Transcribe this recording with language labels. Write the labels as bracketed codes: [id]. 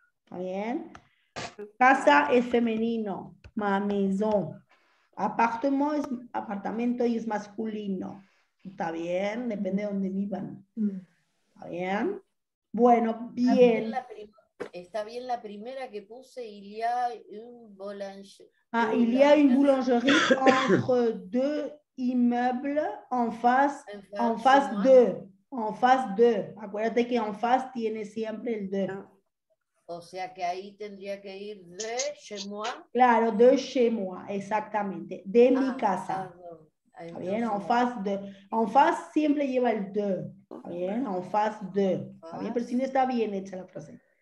[es] Bien. Casa es femenino. [fr] Ma maison. [es] Apartamento es apartamento y es masculino. ¿Está bien? Depende de dónde vivan. ¿Está bien? Bueno, bien. Está bien la primera que puse. [fr] Il y a une boulangerie. Ah, il y a une boulangerie entre deux immeubles en face de. En face de. [es] Acuérdate que en face tiene siempre el de. O sea que ahí tendría que ir [fr] de chez moi. [es] Claro, [fr] de chez moi, [es] exactamente. De mi casa. ¿Está bien? En face de. En face siempre lleva el de. ¿Está bien? En face de. ¿Está bien? Pero si no está bien hecha la frase.